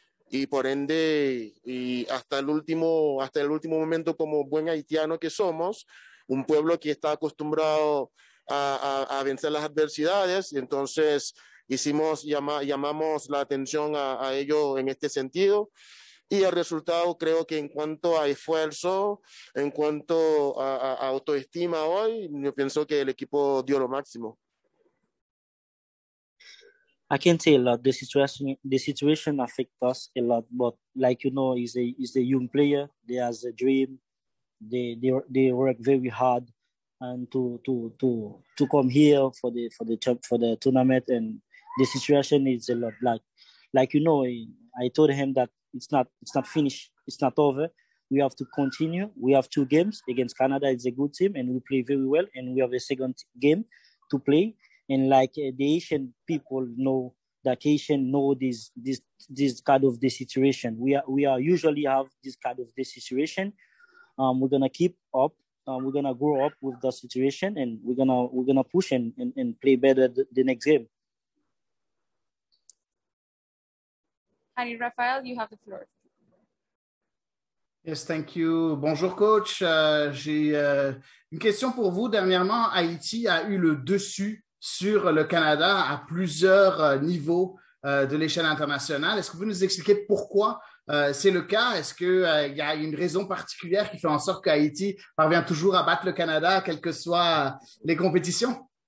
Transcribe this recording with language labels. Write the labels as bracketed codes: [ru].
[es] Y por ende, y hasta el último momento, como buen haitiano que somos, un pueblo que está acostumbrado a vencer las adversidades, entonces llamamos la atención a ellos en este sentido. Y el resultado creo que en cuanto a esfuerzo, en cuanto a autoestima hoy, yo pienso que el equipo dio lo máximo. [en] I can tell that the situation affect us a lot, but like you know, he's a young player. He has a dream. They work very hard, and to come here for the tournament. And the situation is a lot like you know. I told him that it's not finished. It's not over. We have to continue. We have two games against Canada. It's a good team, and we play very well. And we have a second game to play. And like the Asian people know, the Asian know this kind of the situation. We are usually have this kind of the situation. We're gonna keep up. We're gonna grow up with the situation, and we're gonna push and play better the next game. Hi, Rafael, you have the floor. Yes, thank you. Bonjour, coach. [fr] J'ai une question pour vous. Dernièrement, Haïti a eu le dessus sur le Canada à plusieurs niveaux de l'échelle internationale. Est-ce que vous pouvez nous expliquer pourquoi C'est le cas. Est-ce que il y a une raison particulière qui fait en sorte qu'Haïti parvient toujours à battre le Canada, quelles que soient les compétitions?